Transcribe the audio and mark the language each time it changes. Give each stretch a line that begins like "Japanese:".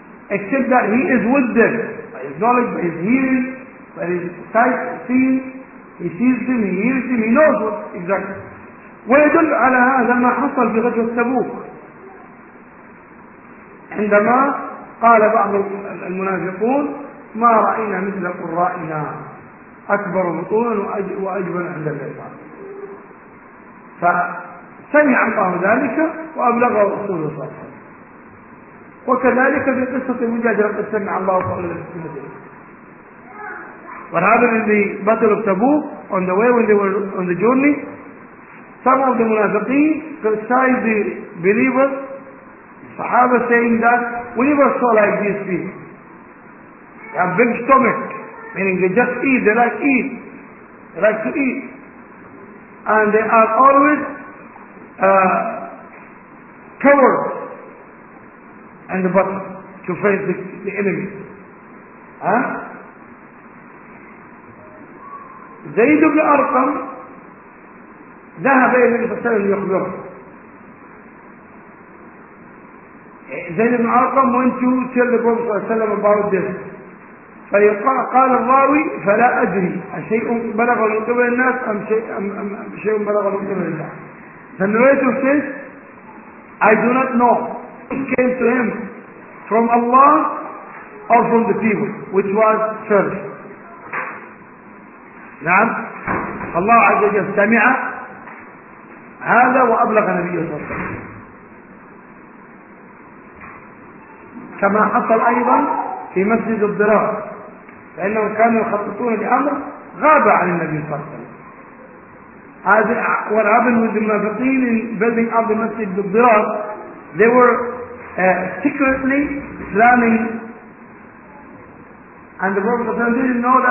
English: Except that he is with them, by his knowledge, by his hearing, by his sight, seeing, he sees them, he hears them, he knows what exactly.
Arabic: ويدل على هذا ما حصل في غزوة تبوك. عندما قال بعض المنافقون ما رأينا مثل قرائنا أكبر بطونا وأجبن عند الإنسان. فسمع الله ذلك وأبلغه رسوله صلى الله عليه وسلم. وكذلك في قصة المجادلة قد سمع الله صلى الله عليه وسلم.
English: What happened in the battle of Tabuk on the way when they were on the journey, some of the munafiqeen criticized the believers. Sahaba saying that we never saw like these people. They have big stomach, meaning they just eat, they like to eat. They like to eat. And they are always cowards in the battle to face the enemy. Huh?
Arabic: Zayd ibn Arqam ذهب إلى النبي صلى الله عليه وسلم ليخبره.
English: Zayd ibn Arqam went to tell the Prophet
Arabic: صلى الله عليه وسلم
English: about this.
Arabic: فقال الراوي فلا أدري أشيء بلغ من قبل الناس أم شيء بلغ من قبل الله.
English: The narrator says, I do not know what came to him from Allah or from the people, which was first.
Arabic: نعم. الله عز وجل سمع هذا وأبلغ نبيه صلى الله عليه وسلم. كما حصل أيضا في مسجد الضرار، لأنهم كانوا يخططون لأمر غاب عن النبي صلى الله عليه وسلم.
English: What happened with the Munafiqeen in building up the Masjid al-Dirar, they were secretly planning, and the Prophet
Arabic: صلى الله عليه وسلم
English: didn't know.